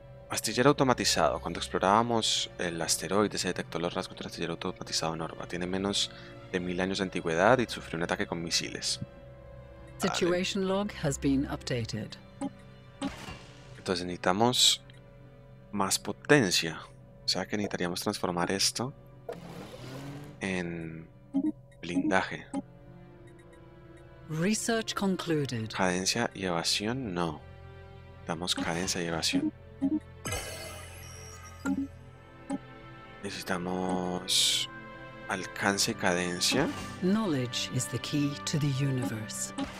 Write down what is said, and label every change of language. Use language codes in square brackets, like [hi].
[es] Astillero automatizado. Cuando explorábamos el asteroide, se detectó los rasgos del astillero automatizado en Orba. Tiene menos de 1000 años de antigüedad y sufrió un ataque con misiles. Vale. [en] Situation log has been updated. [es] Entonces necesitamos más potencia. O sea que necesitaríamos transformar esto en blindaje. [en] Research concluded. [es] Cadencia y evasión, no. Necesitamos cadencia y evasión. Necesitamos alcance y cadencia. [en] Knowledge is the key to the universe.